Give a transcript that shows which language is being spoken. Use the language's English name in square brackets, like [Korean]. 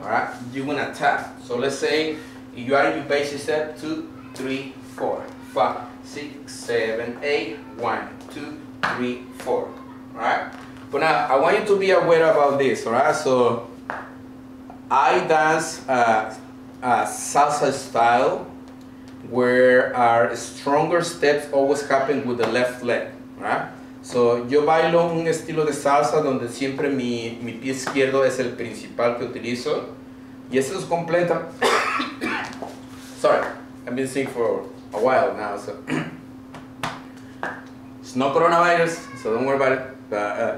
[English] Alright, you're gonna tap. So let's say you are in your basic step, 2, 3, 4, 5, 6, 7, 8, 1, 2, 3, 4. Alright? But now I want you to be aware about this, alright? So I dance a salsa style where our stronger steps always happen with the left leg, right? [Spanish] So yo bailo un estilo de salsa donde siempre mi pie izquierdo es el principal que utilizo. Y eso es completo. [English] Sorry, I've been sick for a while now, so it's no coronavirus, so don't worry about it.